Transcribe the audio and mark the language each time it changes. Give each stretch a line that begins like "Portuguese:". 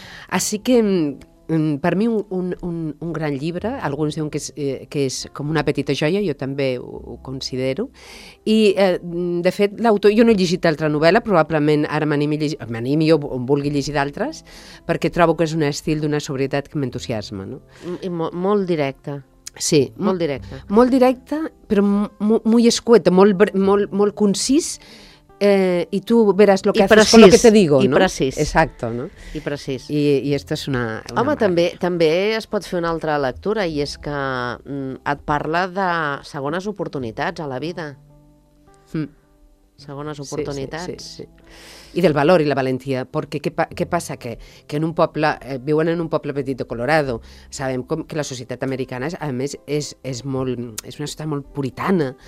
Catalan: Així que, per mi, un gran llibre, alguns diuen que és com una petita joia, jo també ho considero, i, de fet, l'autor, jo no he llegit altra novel·la, probablement ara m'animi jo on vulgui llegir d'altres, perquè trobo que és un estil d'una sobrietat que m'entusiasma. No? I molt directe. Sí. Molt directe. Molt directe, però molt escueta, molt concís,
Spanish: Y tú verás lo que haces con lo que te digo, ¿no?
Catalan: I precís.
Spanish: Exacto, ¿no?
Catalan: I precís. I esto és una maravilla. Home, també es pot fer una altra lectura, i és que et parla de segones oportunitats a la vida. Segones oportunitats. Sí, sí, sí, sí. I del valor i la valentia, perquè què passa? Que en un poble, viuen en un poble petit de Colorado, sabem com que la societat americana, a més, és una societat molt puritana.